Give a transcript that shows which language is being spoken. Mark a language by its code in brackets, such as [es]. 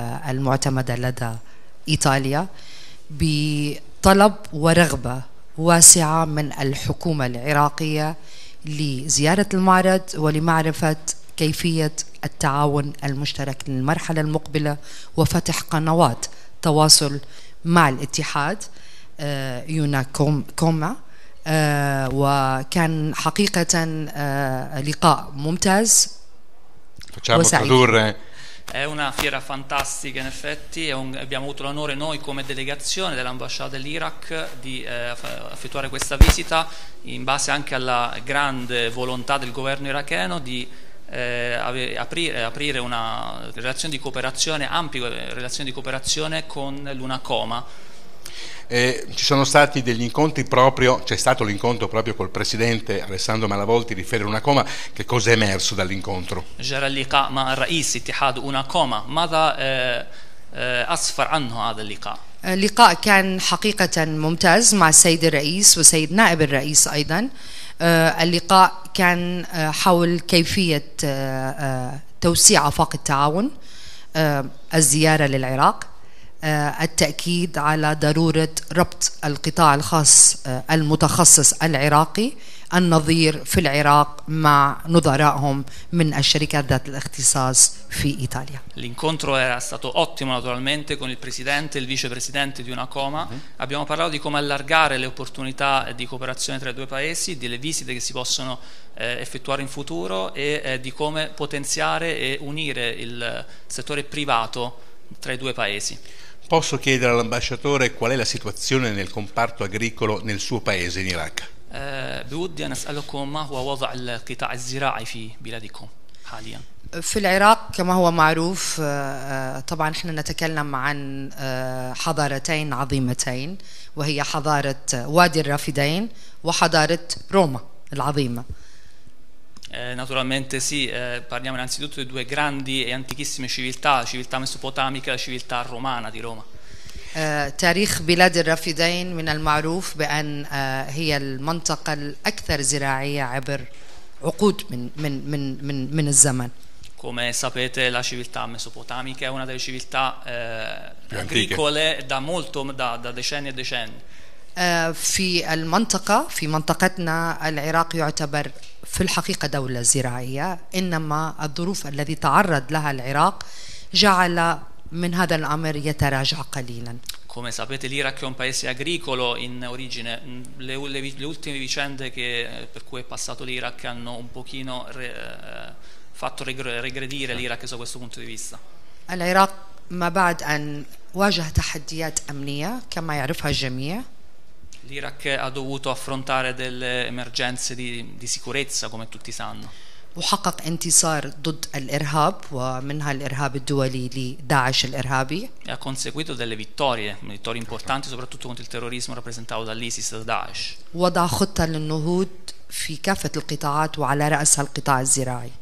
[ar] المعتمدة لدى إيطاليا بطلب ورغبة واسعة من الحكومة العراقية لزيارة المعرض ولمعرفة كيفية التعاون المشترك للمرحلة المقبلة وفتح قنوات تواصل مع الاتحاد يونا كوما. وكان حقيقة لقاء ممتاز وسعيد. [it] È una fiera fantastica, in effetti. Abbiamo avuto l'onore noi come delegazione dell'ambasciata dell'Iraq di effettuare questa visita in base anche alla grande volontà del governo iracheno di aprire una relazione di cooperazione, ampia relazione di cooperazione con l'UNACOMA. Ci sono stati degli incontri proprio, c'è stato l'incontro proprio col presidente Alessandro Malavolti di Federunacoma. Che cosa è emerso dall'incontro? [ar] جرى اللقاء مع رئيس اتحاد UNACOMA. ماذا أسفر عنه هذا اللقاء؟ اللقاء كان حقيقة ممتاز مع السيد الرئيس وسيد نائب الرئيس أيضا. اللقاء كان حول كيفية توسيع آفاق التعاون، الزيارة للعراق، التأكيد على ضرورة ربط القطاع الخاص المتخصص العراقي النظير في العراق مع نظرائهم من الشركات ذات الاختصاص في إيطاليا. [it] L'incontro era stato ottimo naturalmente con il presidente e il vicepresidente di UNACOMA. Abbiamo parlato di come allargare le opportunità di cooperazione tra i due paesi, delle visite che si possono effettuare in futuro e di come potenziare e unire il settore privato tra i due paesi. Posso chiedere all'ambasciatore qual è la situazione nel comparto agricolo nel suo paese in Iraq? [ar] بودي أن أسألكم ما هو وضع القطاع الزراعي في بلادكم حاليا؟ في العراق كما هو معروف طبعا احنا نتكلم عن حضارتين عظيمتين وهي حضارة وادي الرافدين وحضارة روما العظيمة. [it] Naturalmente sì, parliamo innanzitutto di due grandi e antichissime civiltà, la civiltà mesopotamica e la civiltà romana di Roma. [ar] تاريخ بلاد الرافدين من المعروف بأن هي المنطقة الأكثر زراعية عبر عقود من الزمن. [it] Come sapete la civiltà mesopotamica è una delle civiltà agricole da molto da decenni e decenni. [ar] في المنطقة في منطقتنا العراق يعتبر في الحقيقة دولة زراعية، إنما الظروف التي تعرض لها العراق جعل من هذا الأمر يتراجع قليلا. [it] Come sapete l'Iraq è un paese agricolo in origine. Le ultime vicende che per cui è passato l'Iraq hanno un pochino fatto regredire l'Iraq da questo punto di vista. [ar] العراق ما بعد أن واجه تحديات أمنية كما يعرفها الجميع. [it] L'Iraq ha dovuto affrontare delle emergenze di sicurezza, come tutti sanno. [ar] وحقق انتصار ضد الإرهاب ومنها الإرهاب الدولي لداعش الإرهابي. [it] E ha conseguito delle vittorie importanti, soprattutto contro il terrorismo rappresentato dall'ISIS e da Daesh. [ar] وضع خطة للنهوض في كافة القطاعات وعلى رأسها القطاع الزراعي.